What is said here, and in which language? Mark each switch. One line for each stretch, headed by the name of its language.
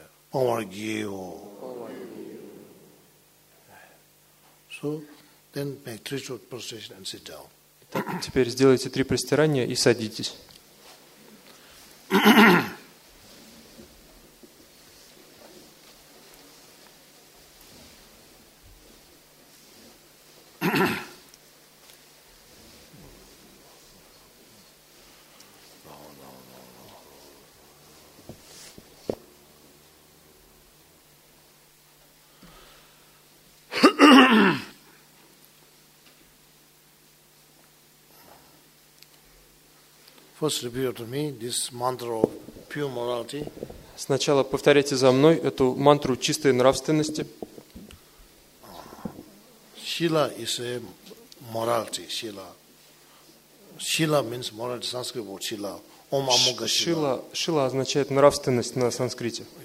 English: 방어기오 So then make three short prostrations and sit down.
Russian: Итак, теперь сделайте три простирания и садитесь.
English: First, repeat to me this mantra of pure morality.
Russian: Сначала повторяйте за мной эту мантру чистой нравственности.
English: Shila is a morality. Shila. Shila means morality. Sanskrit word shila.
Sanskrit: Om amoga shila.
Russian: Shila означает нравственность на санскрите.